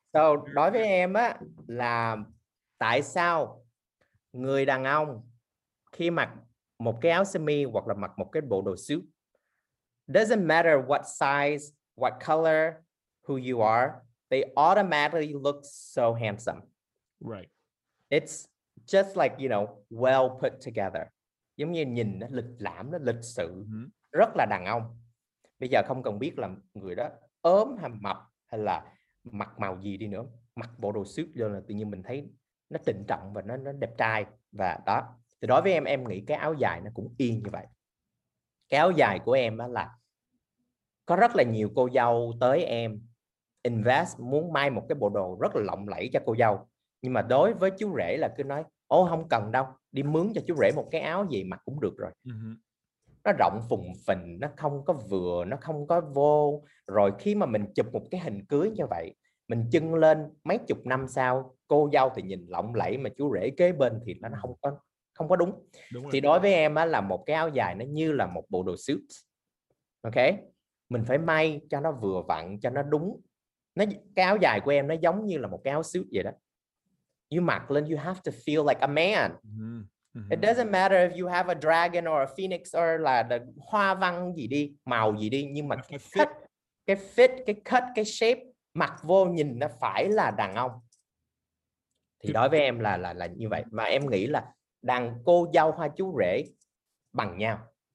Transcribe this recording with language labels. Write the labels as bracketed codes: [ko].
[vi] So đối với em á, là tại sao người đàn ông khi mặc một cái áo sơ mi hoặc là mặc một cái bộ đồ suit, [en] doesn't matter what size, what color, who you are, they automatically look so handsome. Right. It's just like, you know, well put together. [vi] Giống như nhìn nó lịch lãm, nó lịch sự, rất là đàn ông. Bây giờ không cần biết là người đó ốm hay mập hay là mặc màu gì đi nữa, mặc bộ đồ suit vô là tự nhiên mình thấy nó trịnh trọng và nó đẹp trai. Và đó, thì đối với em nghĩ cái áo dài nó cũng y như vậy. Cái áo dài của em á, là có rất là nhiều cô dâu tới em invest muốn may một cái bộ đồ rất là lộng lẫy cho cô dâu, nhưng mà đối với chú rể là cứ nói ô không cần đâu, đi mướn cho chú rể một cái áo gì mặc cũng được rồi. Nó rộng phùng phình, nó không có vừa, nó không có vô. Rồi khi mà mình chụp một cái hình cưới như vậy, mình chưng lên mấy chục năm sau, cô dâu thì nhìn lộng lẫy mà chú rể kế bên thì nó không có đúng. Thì đối với em á, là một cái áo dài nó như là một bộ đồ suit. Ok, mình phải may cho nó vừa vặn, cho nó đúng. Nó, cái áo dài của em nó giống như là một cái áo suit vậy đó. [en] You [vi] mặc lên, [en] you have to feel like a man. It doesn't matter if you have a dragon or a phoenix or [vi] là hoa văn gì đi, màu gì đi, nhưng mà cái fit, cái cut, cái shape mặc vô nhìn nó phải là đàn ông. Thì đối với em là như vậy. Mà em nghĩ là đàn cô dâu hoa chú rể bằng nhau.